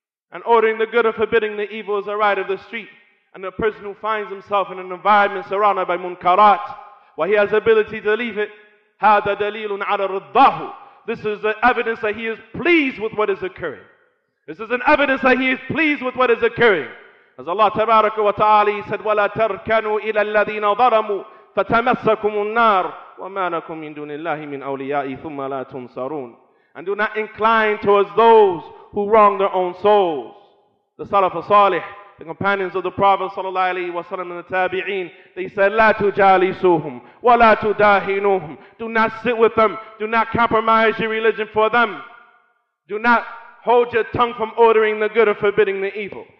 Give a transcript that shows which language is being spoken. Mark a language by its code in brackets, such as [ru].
[en] And ordering the good and forbidding the evil is a right of the street. And the person who finds himself in an environment surrounded by munkarat, where he has the ability to leave it, [ar] hadha dalilun 'ala ridahu. [en] This is the evidence that he is pleased with what is occurring. This is an evidence that he is pleased with what is occurring. As Allah tabaraka wa ta'ala said, [ar] وَلَا تَرْكَنُوا إِلَى الَّذِينَ ظَرَمُوا فَتَمَسَّكُمُ النَّارِ وَمَا لَكُمْ مِنْ دُونِ اللَّهِ مِنْ أَوْلِيَاءِ ثُمَّ لَا تُنْصَرُونَ. [en] And do not incline towards those who wrong their own souls. The Salaf al-Salih, the companions of the Prophet sallallahu alayhi wa sallam and the tabi'een, they said, [ar] لَا تُجَالِسُوهُمْ وَلَا تُدَاهِنُوهُمْ. [en] Do not sit with them. Do not compromise your religion for them. Do not hold your tongue from ordering the good or forbidding the evil.